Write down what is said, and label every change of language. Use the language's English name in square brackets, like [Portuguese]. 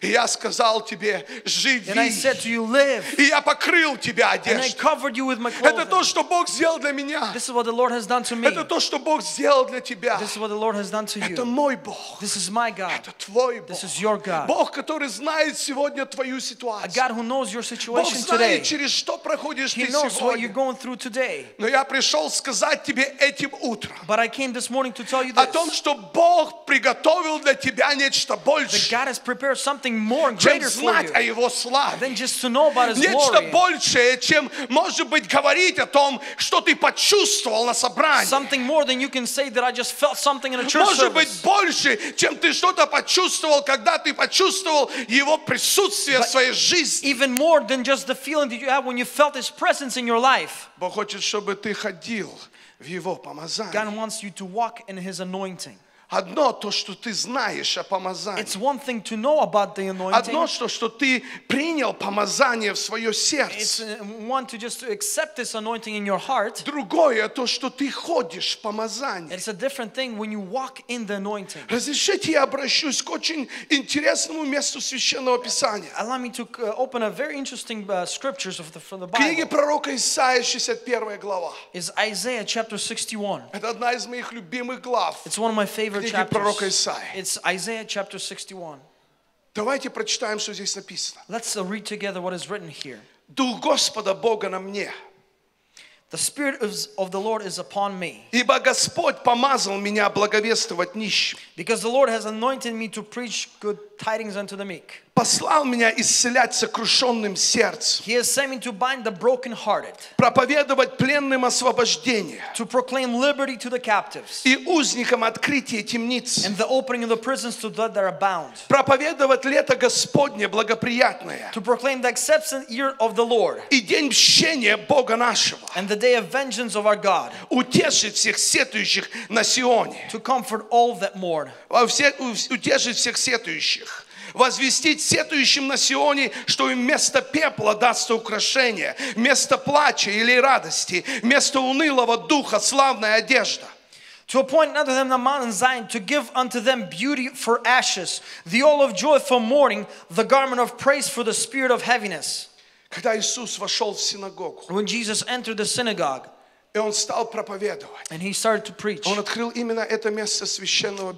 [English] And I said to you, live. And I covered you with my clothing. This is what the Lord has done to me. This is what the Lord has done to you. This is my God. This is your God. [Russian] Бог, который знает сегодня твою ситуацию. [English] A God who knows your situation today. [Russian] Бог знает, через что проходишь ты сегодня. [English] He knows what you're going through today. [Russian] Но я пришел сказать тебе этим утром. [English] But I came this morning to tell you this. [Russian] О том, что Бог приготовил для тебя нечто большее. [English] That God has prepare something more and greater for you than just to know about His [Russian] нечто Большее, чем, может быть, говорить о том, что ты почувствовал на собрании. [English] Something more than you can say that I just felt something in a church [Russian] может [English] service. [Russian] Быть, больше, чем ты что-то почувствовал, когда ты почувствовал Его присутствие [English] but [Russian] в своей жизни. [English] Even more than just the feeling that you have when you felt His presence in your life. [Russian] Бог хочет, чтобы ты ходил в Его помазании. [English] God wants you to walk in His anointing. [Russian] Одно то, что ты знаешь о помазании. [English] It's one thing to know about the anointing. [Russian] Одно то, что ты принял помазание в свое сердце. [English] It's one to just accept this anointing in your heart. [Russian] Другое то, что ты ходишь в помазании. [English] It's a different thing when you walk in the anointing. [Russian] Разрешите, я обращусь к очень интересному месту священного писания. [English] Allow me to open a very interesting scriptures from the Bible. [Russian] Книги пророка Исаия 61 глава. [English] Is Isaiah chapter 61. [Russian] Это одна из моих любимых глав. [English] It's one of my favorite chapters. It's Isaiah chapter 61. [Russian] Давайте прочитаем, что здесь написано. [English] Let's read together what is written here. [Russian] Дух Господа Бога на мне. [English] The Spirit of the Lord is upon me. [Russian] Ибо Господь помазал меня благовествовать нищим. [English] Because the Lord has anointed me to preach good tidings unto the meek. [Russian] Послал меня исцелять сокрушенным сердцем. [English] He has sent me to bind the brokenhearted. [Russian] Проповедовать пленным освобождение. [English] To proclaim liberty to the captives. [Russian] И узникам открытие темниц. [English] And the opening of the prisons to those that are bound. [Russian] Проповедовать лето Господне благоприятное. [English] To proclaim the acceptance year of the Lord. [Russian] И день мщения Бога нашего. [English] And the day of vengeance of our God. [Russian] Утешить всех сетующих на Сионе. [English] To comfort all that mourn. [Russian] Утешить всех сетующих. Возвестить сетующим на Сионе, что им вместо пепла дастся украшение, вместо плача или радости, вместо унылого духа славная одежда. [English] To appoint unto them the mountain Zion, to give unto them beauty for ashes, the oil of joy for mourning, the garment of praise for the spirit of heaviness. [Russian] Когда Иисус вошел в синагогу, [English] when Jesus entered the synagogue, [Russian] и он стал проповедовать. [English] And he started to preach. [Russian] Он открыл именно это место священного писания.